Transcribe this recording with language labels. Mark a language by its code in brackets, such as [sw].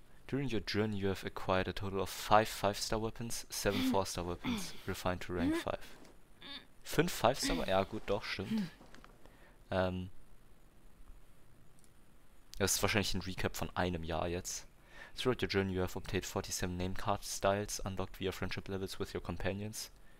[en] During your journey, you have acquired a total of 5 5-Star Weapons, 7 4-Star Weapons, refined to rank 5. [de] 5 5-Star? Ja, gut, doch, stimmt. Das ist wahrscheinlich ein Recap von einem Jahr jetzt. [en] Throughout your journey, you have obtained 47 Name Card Styles unlocked via Friendship Levels with your Companions.